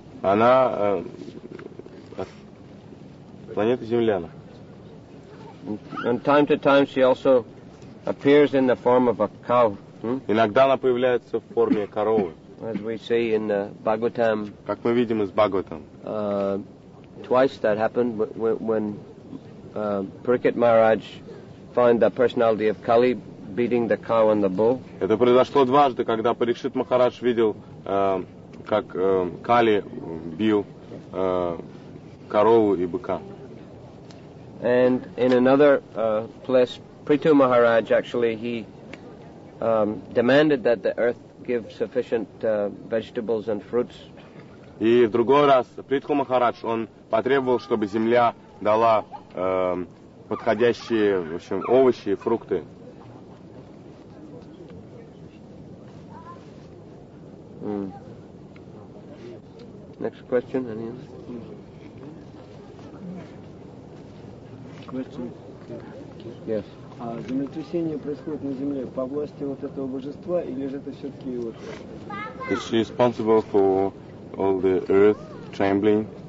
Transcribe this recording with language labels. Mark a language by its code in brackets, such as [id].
[ru] Она планета Земля. [en] And time to time she also appears in the form of a cow. [ru] Иногда она появляется в форме коровы. [en] As we see in the Bhagavatam. [ru] Как мы видим из Бхагаватам. [en] Twice that happened when Parikshit Maharaj found the personality of Kali beating the cow and the bull. [ru] Это произошло дважды, когда Парикшит Махарадж видел, как Кали бил корову и быка. [en] And in another place, Prithu Maharaj actually he demanded that the earth give sufficient vegetables and fruits. [ru] И в другой раз Притху Махарадж он потребовал, чтобы земля дала подходящие, в общем, овощи и фрукты. [en] Next question, any other? Question. Yes. [ru] А землетрясение происходит на земле по власти вот этого божества или же это все-таки вот? [en] Is she responsible for all the earth trembling?